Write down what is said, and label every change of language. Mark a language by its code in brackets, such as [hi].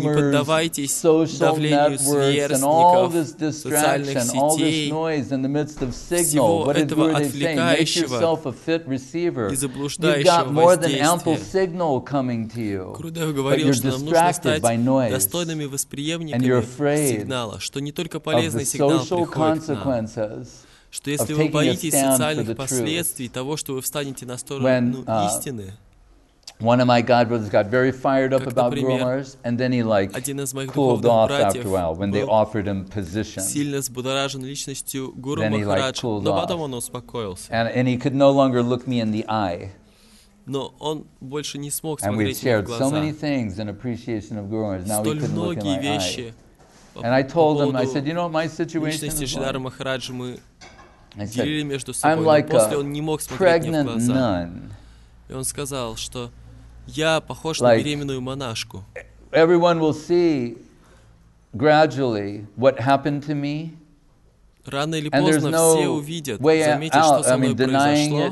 [ru] не поддавайтесь давлению сверстников, социальных сетей, всего этого отвлекающего и заблуждающего воздействия. Крудев говорил, что нам нужно стать достойными восприемниками сигнала, что не только полезный сигнал приходит к нам, что если вы боитесь социальных последствий того, что вы встанете на сторону истины, [en] one of my god brothers got very fired up about Guru Maharaj, and then he like cooled off after a while when they offered him position. [ru] Сильно взбудоражен личностью Гуру Махарадж, но потом он успокоился. [en] And he could no longer look me in the eye. [ru] Но он больше не смог смотреть мне в глаза. [en] And we shared so many things in appreciation of Guru Maharaj. Now he couldn't look in my eye. And I told him, I said, you know what my situation is. [ru] Личности Шридхара Махараджа мы делили между собой. [en] I'm like [ru] после он не мог смотреть мне в глаза. И он сказал, что я похож на беременную монашку. [en] Everyone will see gradually what happened to me. [ru] Рано или поздно все увидят, заметят, что со мной произошло.